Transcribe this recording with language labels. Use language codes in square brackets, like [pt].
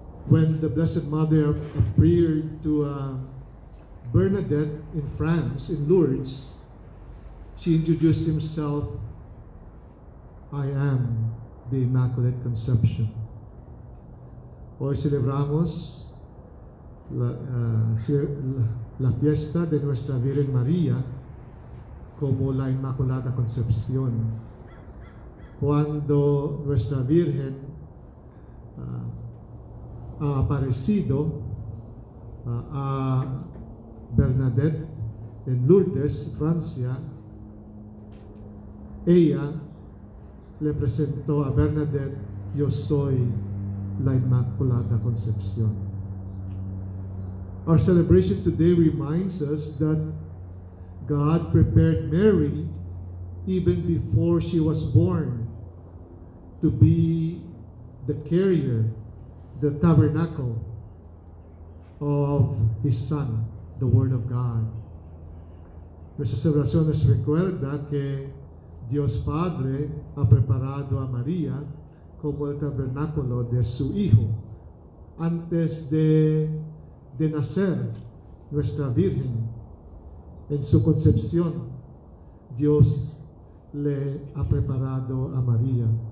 [en] When the Blessed Mother appeared to Bernadette in France, in Lourdes, she introduced herself, "I am the Immaculate Conception." [es] Hoy celebramos la fiesta de Nuestra Virgen María como la Inmaculada Concepción. Cuando Nuestra Virgen ha aparecido a Bernadette en Lourdes, Francia, ella le presentó a Bernadette: "Yo soy la Inmaculada Concepción." [en] Our celebration today reminds us that God prepared Mary even before she was born to be the carrier, the tabernacle of His Son, the Word of God. [es] Nuestra celebración nos recuerda que Dios Padre ha preparado a María como el tabernáculo de su Hijo. Antes de nacer nuestra Virgen, en su concepción, Dios le ha preparado a María.